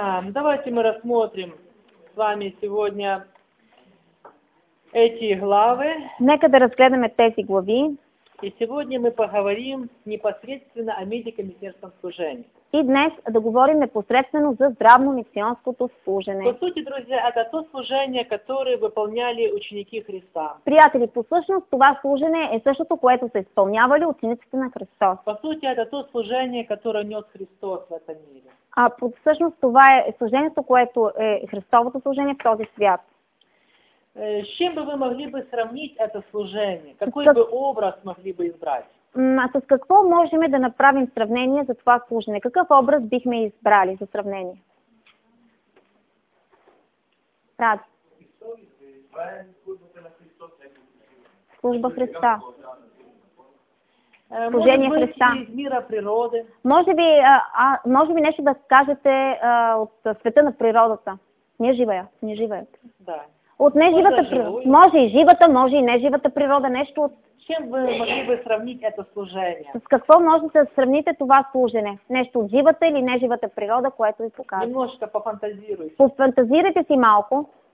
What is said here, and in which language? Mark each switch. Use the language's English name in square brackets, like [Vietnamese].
[Russian] Давайте мы рассмотрим с вами сегодня эти главы. [Bulgarian] Нека да разгледаме тези глави. [Russian] И сегодня мы поговорим непосредственно о медико-миссионском служении. [Bulgarian] И днес да говорим непосредственно за здравно-мисионското служение. [Russian] По сути, друзья, это то служение, которое выполняли ученики Христа. [Bulgarian] Приятели, по същност, това служение е същото, което са изпълнявали учениците на Христос. [Russian] По сути, это то служение, которое нес Христос в этом мире. [Bulgarian] А по същност, това е служението, което е Христовото служение в този свят. [Russian] С чем бы вы могли бы сравнить это служение? Какой бы образ могли бы избрать? [Bulgarian] С какво можем да направим сравнение за това служение? Какъв образ бихме избрали за сравнение? Ради. [Russian] Служба Христа. Служение Христа. Из мира природы. [Bulgarian] Може би нещо да скажете от света на природата. [Russian] Неживая. [Bulgarian] Да. От неживата природа. Може и живата, може и неживата природа. Нещо от... [Russian] Чем вы могли бы сравнить это служение? [Bulgarian] С какво можете да сравните това служение? Нещо от живата или неживата природа, което ви показва? [Russian] Немножко пофантазируйте. [Bulgarian] Пофантазирайте си малко.